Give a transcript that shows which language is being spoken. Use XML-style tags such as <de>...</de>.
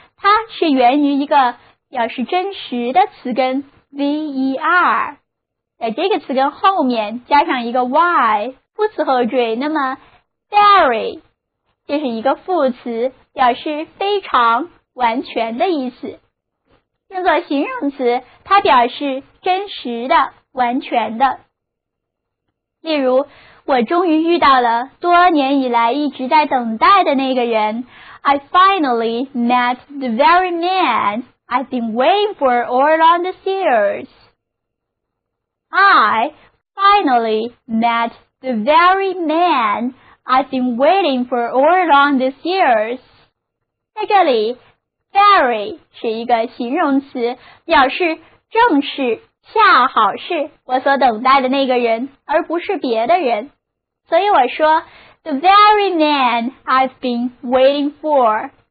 <zh>它是源于一个表示真实的词根 V-E-R， 在这个词根后面加上一个 Y 副词后缀，那么 very 这是一个副词，表示非常完全的意思。用作形容词，它表示真实的、完全的。例如，我终于遇到了多年以来一直在等待的那个人。</zh> <en>I finally met the very man I've been waiting for all along the years. I finally met the very man I've been waiting for all along the years.</en> <zh>在这里 ,very 是一个形容词，表示正是、恰好是我所等待的那个人，而不是别的人。</zh> <en>所以我说 ,the very man I've been waiting for.</en>